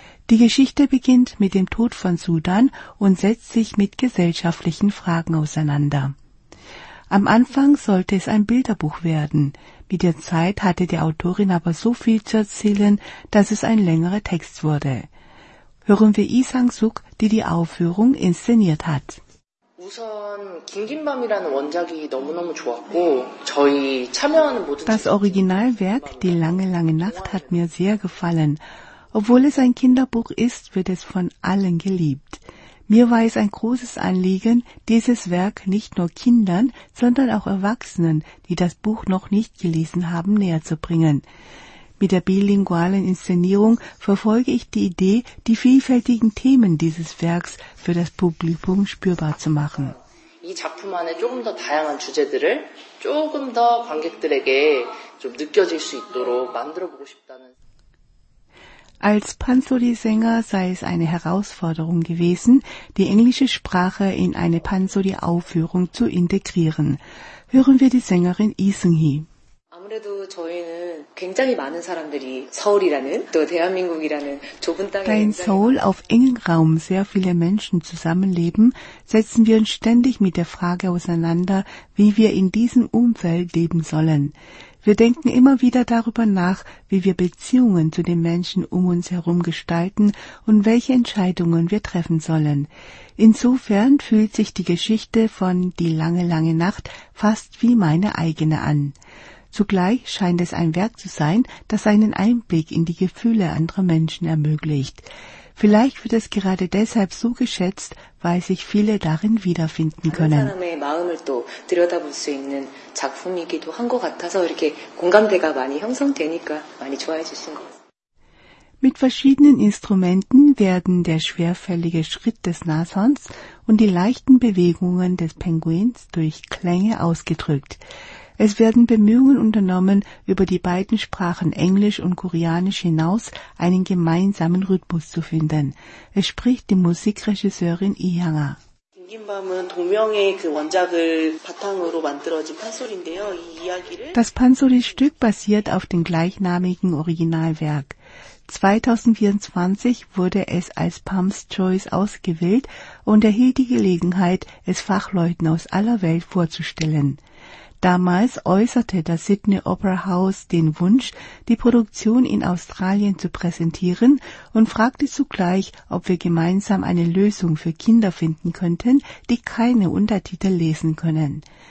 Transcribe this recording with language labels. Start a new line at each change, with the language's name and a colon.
German: Die Geschichte beginnt mit dem Tod von Sudan und setzt sich mit gesellschaftlichen Fragen auseinander. Am Anfang sollte es ein Bilderbuch werden, mit der Zeit hatte die Autorin aber so viel zu erzählen, dass es ein längerer Text wurde. Hören wir Lee Sang-suk, die die Aufführung inszeniert hat.
Korean: 우선 긴긴밤이라는 원작이 너무너무 좋았고 저희 참여하는 모든
German: Das Originalwerk Die lange lange Nacht hat mir sehr gefallen. Obwohl es ein Kinderbuch ist, wird es von allen geliebt. Mir war es ein großes Anliegen, dieses Werk nicht nur Kindern, sondern auch Erwachsenen, die das Buch noch nicht gelesen haben, näher zu bringen. Mit der bilingualen Inszenierung verfolge ich die Idee, die vielfältigen Themen dieses Werks für das Publikum spürbar zu machen.
Korean: 이 작품 안에 조금 더 다양한 주제들을 조금 더 관객들에게 좀 느껴질 수 있도록 만들어 보고 싶다는
German: Als Pansori-Sänger sei es eine Herausforderung gewesen, die englische Sprache in eine Pansori-Aufführung zu integrieren. Hören wir die Sängerin Lee Seung-hee.
Korean: 아무래도 저희는 굉장히 많은 사람들이 서울이라는 또 대한민국이라는 좁은 땅에
German: Da in Seoul auf engem Raum sehr viele Menschen zusammenleben, setzen wir uns ständig mit der Frage auseinander, wie wir in diesem Umfeld leben sollen. Wir denken immer wieder darüber nach, wie wir Beziehungen zu den Menschen um uns herum gestalten und welche Entscheidungen wir treffen sollen. Insofern fühlt sich die Geschichte von »Die lange, lange Nacht« fast wie meine eigene an. Zugleich scheint es ein Werk zu sein, das einen Einblick in die Gefühle anderer Menschen ermöglicht. Vielleicht wird es gerade deshalb so geschätzt, weil sich viele darin wiederfinden können.
Korean: 다른 사람의 마음을 또 들여다볼 수 있는 작품이기도 한 것 같아서 이렇게 공감대가 많이 형성되니까 많이 좋아해 주신 것 같아요.
German: Mit verschiedenen Instrumenten werden der schwerfällige Schritt des Nashorns und die leichten Bewegungen des Pinguins durch Klänge ausgedrückt. Es werden Bemühungen unternommen, über die beiden Sprachen Englisch und Koreanisch hinaus einen gemeinsamen Rhythmus zu finden. Es spricht die Musikregisseurin Lee Hyang-ah.
Korean: 김밤은 동명의 그 원작을 바탕으로 만들어진 판소리인데요. 이 이야기를
German: Das Pansori-Stück basiert auf dem gleichnamigen Originalwerk. 2024 wurde es als Pam's Choice ausgewählt und erhielt die Gelegenheit, es Fachleuten aus aller Welt vorzustellen. Damals äußerte das Sydney Opera House den Wunsch, die Produktion in Australien zu präsentieren und fragte zugleich, ob wir gemeinsam eine Lösung für Kinder finden könnten, die keine Untertitel lesen können.